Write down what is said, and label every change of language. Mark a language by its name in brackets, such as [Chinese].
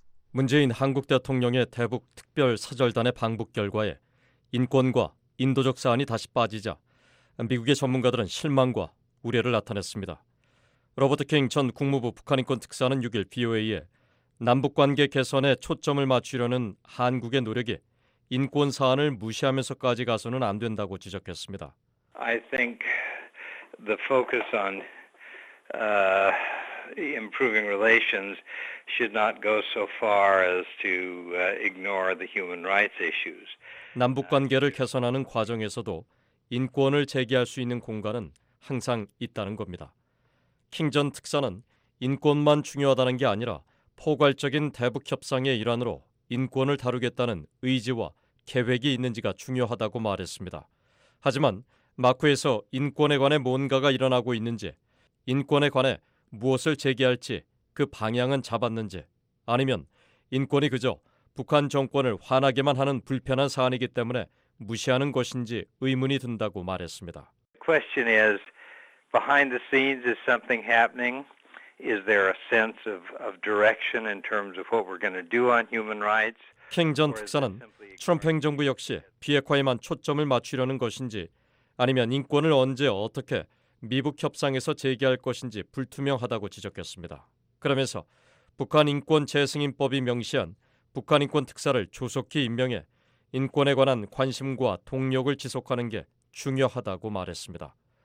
[Korean] 문재인 한국 대통령의 대북 특별사절단의 방북 결과에 인권과 인도적 사안이 다시 빠지자 미국의 전문가들은 실망과 우려를 나타냈습니다. 로버트 킹 전 국무부 북한인권특사는 6일 BOA에 남북관계 개선에 초점을 맞추려는 한국의 노력이 인권 사안을 무시하면서까지 가서는 안 된다고 지적했습니다. [English] I think the focus on improving relations should not go so far as to ignore the human rights issues. [Korean] 남북 관계를 개선하는 과정에서도 인권을 제기할 수 있는 공간은 항상 있다는 겁니다. 킹 전 특사는 인권만 중요하다는 게 아니라 포괄적인 대북 협상의 일환으로 인권을 다루겠다는 의지와 계획이 있는지가 중요하다고 말했습니다. 하지만 마크에서 인권에 관해 뭔가가 일어나고 있는지, 인권에 관해 무엇을 제기할지 그 방향은 잡았는지, 아니면 인권이 그저 북한 정권을 화나게만 하는 불편한 사안이기 때문에 무시하는 것인지 의문이 든다고 말했습니다. [English] Question is behind the scenes is something happening. Is there a sense of direction in terms of what we're going to do on human rights? [Korean] 킹 전 특사는 트럼프 행정부 역시 비핵화에만 초점을 맞추려는 것인지 아니면 인권을 언제 어떻게 미북 협상에서 제기할 것인지 불투명하다고 지적했습니다. 그러면서 북한인권재승인법이 명시한 북한인권특사를 조속히 임명해 인권에 관한 관심과 동력을 지속하는 게 중요하다고 말했습니다.